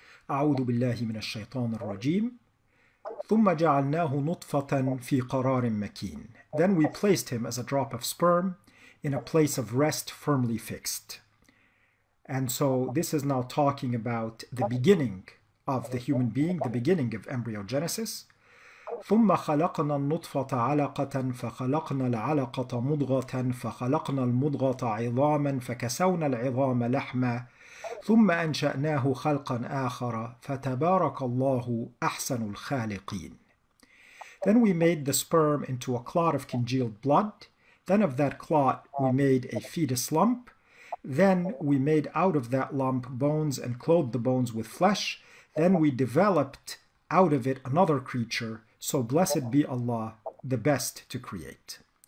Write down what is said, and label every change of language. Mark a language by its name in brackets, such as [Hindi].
[Arabic] أعوذ بالله من الشيطان الرجيم ثم جعلناه نطفة في قرار مكين. [English] Then we placed him as a drop of sperm in a place of rest firmly fixed. And so this is now talking about the beginning of the human being, the beginning of embryogenesis. [Arabic] ثم خلقنا النطفة علقة فخلقنا العلقة مضغة فخلقنا المضغة عظاما فكسونا العظام لحما ثم أنشأناه خلقا آخر فتبارك الله أحسن الخالقين. [English] Then we made the sperm into a clot of congealed blood. Then of that clot we made a fetus lump. Then we made out of that lump bones and clothed the bones with flesh. Then we developed out of it another creature. So blessed be Allah, the best to create.